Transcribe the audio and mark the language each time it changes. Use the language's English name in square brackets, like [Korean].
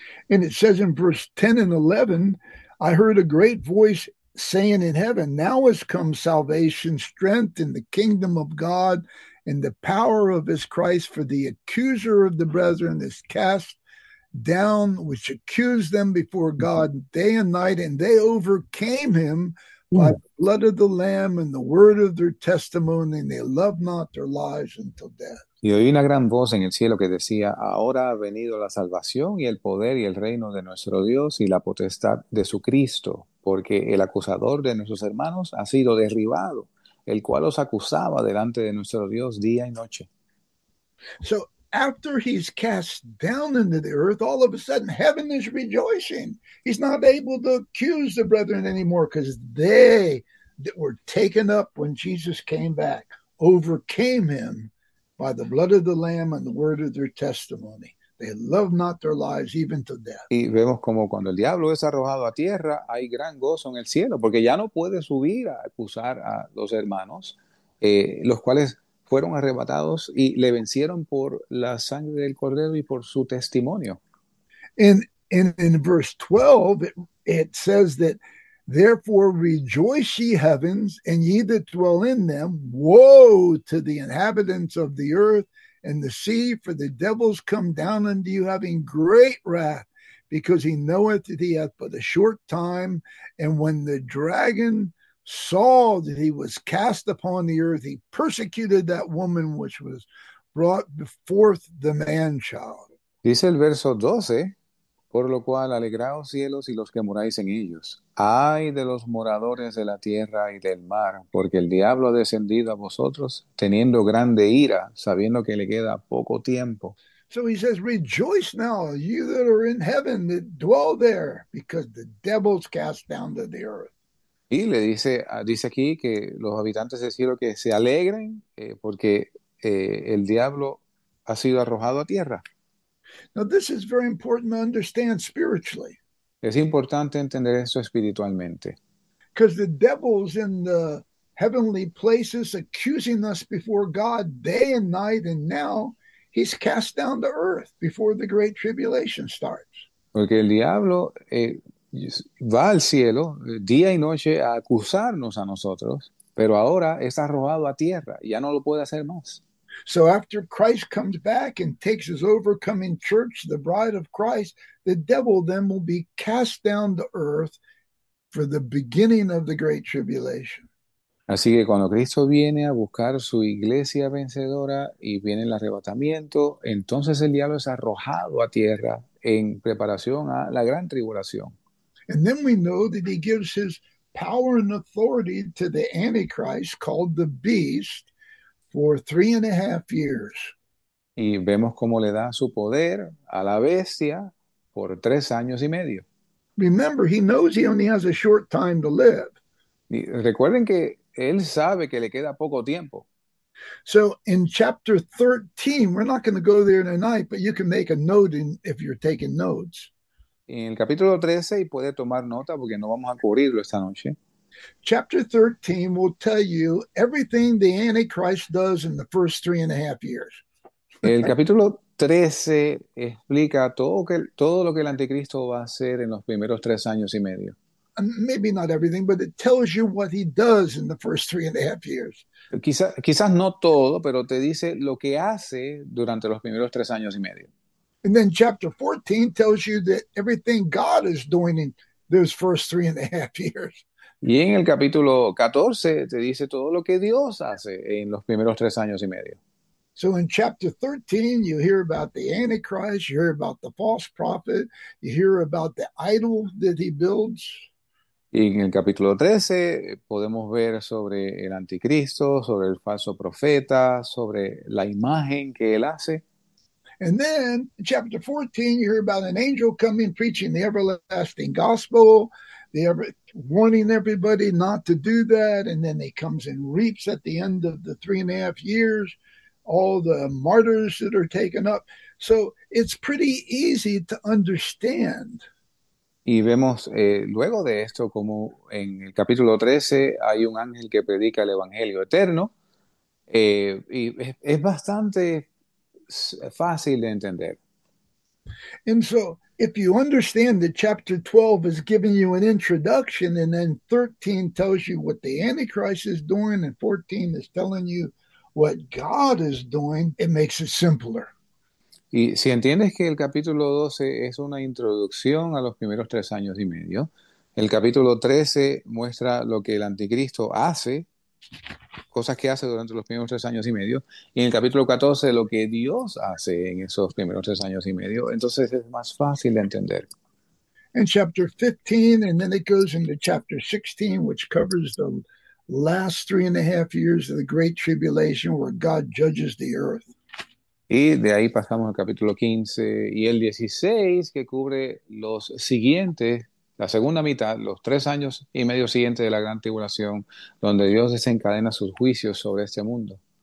[English] And it says in verse 10 and 11, I heard a great voice saying in heaven, now has come salvation, strength in the kingdom of God and the power of his Christ, for the accuser of the brethren is cast down, which accused them before God day and night, and they overcame him by the blood of the Lamb and the word of their testimony, and they loved not their lives until death. [Spanish] Y oí una gran voz en el cielo que decía, ahora ha venido la salvación y el poder y el reino de nuestro Dios y la potestad de su Cristo, porque el acusador de nuestros hermanos ha sido derribado, el cual los acusaba delante de nuestro Dios día y noche. [English] So after he's cast down into the earth, all of a sudden heaven is rejoicing. He's not able to accuse the brethren anymore because they that were taken up when Jesus came back overcame him by the blood of the Lamb and the word of their testimony. They loved not their lives even to death. [Spanish] Y vemos como cuando el diablo es arrojado a tierra, hay gran gozo en el cielo, porque ya no puede subir a acusar a los hermanos, los cuales fueron arrebatados y le vencieron por la sangre del cordero y por su testimonio. [English] In verse 12, it says that, therefore rejoice ye heavens, and ye that dwell in them. Woe to the inhabitants of the earth and the sea, for the devil's come down unto you having great wrath, because he knoweth that he hath but a short time. And when the dragon saw that he was cast upon the earth, he persecuted that woman which was brought forth the man-child. [Spanish] Dice el verso 12, por lo cual alegraos cielos y los que moráis en ellos. Ay de los moradores de la tierra y del mar, porque el diablo ha descendido a vosotros, teniendo grande ira, sabiendo que le queda poco tiempo. [English] So he says, rejoice now, you that are in heaven that dwell there, because the devil's cast down to the earth. [Spanish] Y le dice aquí que los habitantes del cielo que se alegren, porque el diablo ha sido arrojado a tierra. [English] Now, this is very important to understand spiritually. [Spanish] Es importante entender esto espiritualmente. [English] Because the devil's in the heavenly places accusing us before God day and night, and now he's cast down to earth before the great tribulation starts. [Spanish] Porque el diablo va al cielo día y noche a acusarnos a nosotros, pero ahora está arrojado a tierra y ya no lo puede hacer más. [English] So after Christ comes back and takes his overcoming church, the bride of Christ, the devil then will be cast down to earth for the beginning of the great tribulation. [Spanish] Así que cuando Cristo viene a buscar su iglesia vencedora y viene el arrebatamiento, entonces el diablo es arrojado a tierra en preparación a la gran tribulación. [English] And then we know that he gives his power and authority to the Antichrist called the Beast for 3.5 years. [Spanish] Y vemos cómo le da su poder a la bestia por 3 años y medio. [English] Remember, he knows he only has a short time to live. [Spanish] Y recuerden que él sabe que le queda poco tiempo. [English] So in chapter 13, we're not going to go there tonight, but you can make a note in if you're taking notes. [Spanish] En el capítulo 13, y puede tomar nota porque no vamos a cubrirlo esta noche. [English] Chapter 13 will tell you everything the Antichrist does in the first 3.5 years. [Spanish] El capítulo 13 explica todo lo que el anticristo va a hacer en los primeros 3 años y medio. [English] Maybe not everything, but it tells you what he does in the first 3.5 years. [Spanish] Quizás no todo, pero te dice lo que hace durante los primeros 3 años y medio. [English] And then chapter 14 tells you that everything God is doing in those first 3.5 years. [Spanish] Y en el capítulo 14 te dice todo lo que Dios hace en los primeros 3 años y medio. [English] So in chapter 13, you hear about the Antichrist, you hear about the false prophet, you hear about the idol that he builds. [Spanish] Y en el capítulo 13 podemos ver sobre el anticristo, sobre el falso profeta, sobre la imagen que él hace. [English] And then in chapter 14, you hear about an angel coming preaching the everlasting gospel. warning everybody not to do that, and then he comes and reaps at the end of the 3.5 years all the martyrs that are taken up. So it's pretty easy to understand. [Spanish] Y vemos luego de esto como en el capítulo 13 hay un ángel que predica el Evangelio eterno y es bastante fácil de entender. [English] And so, if you understand that chapter 12 is giving you an introduction, and then 13 tells you what the Antichrist is doing, and 14 is telling you what God is doing, it makes it simpler. [Spanish] Y si entiendes que el capítulo 12 es una introducción a los primeros 3 años y medio, el capítulo 13 muestra lo que el anticristo hace, cosas que hace durante los primeros 3 años y medio, y en el capítulo 14 lo que Dios hace en esos primeros 3 años y medio, entonces es más fácil de entender. [English] And chapter 15, and then it goes into chapter 16, which covers the last 3.5 years of the Great Tribulation, where God judges the earth. [Spanish] Y de ahí pasamos al capítulo 15 y el 16, que cubre los siguientes, la segunda mitad, los 3 años y medio siguientes de la gran tribulación, donde Dios desencadena sus juicios sobre este mundo.